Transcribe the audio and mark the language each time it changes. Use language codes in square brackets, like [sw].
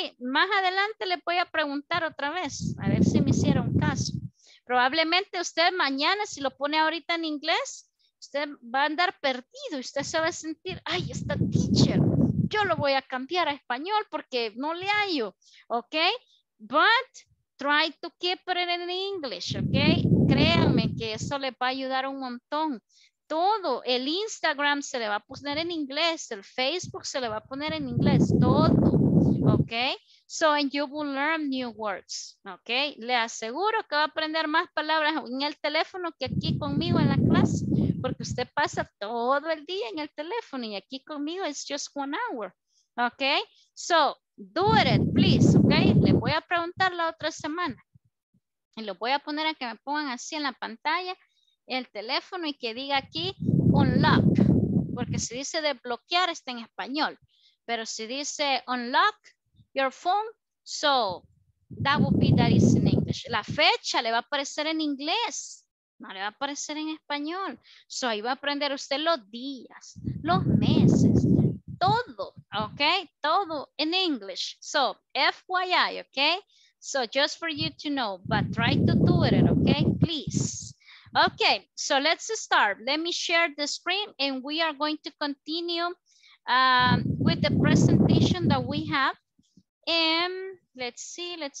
[es] Más adelante le voy a preguntar otra vez, a ver si me hicieron caso. Probablemente usted mañana, si lo pone ahorita en inglés, usted va a andar perdido y usted se va a sentir, ay, esta teacher, yo lo voy a cambiar a español porque no le hallo, ok? [en] But try to keep it in English, ok? [es] Créanme que eso le va a ayudar un montón. Todo, el Instagram se le va a poner en inglés, el Facebook se le va a poner en inglés, todo, ok? [en] So, and you will learn new words, ok? [es] Le aseguro que va a aprender más palabras en el teléfono que aquí conmigo en la clase, porque usted pasa todo el día en el teléfono y aquí conmigo es [en] just 1 hour, [es] ok? So, do it, please, ok? Le voy a preguntar la otra semana y lo voy a poner a que me pongan así en la pantalla, el teléfono y que diga aquí unlock, porque si dice desbloquear está en español, pero si dice [en] unlock your phone, so that would be that is in English. [es] La fecha le va a aparecer en inglés, no le va a aparecer en español. So ahí va a aprender usted los días, los meses, todo, ok, todo en English. [en] So FYI, ok, so just for you to know, but try to do it, ok, please. Okay, so let's start. Let me share the screen and we are going to continue with the presentation that we have. And let's see.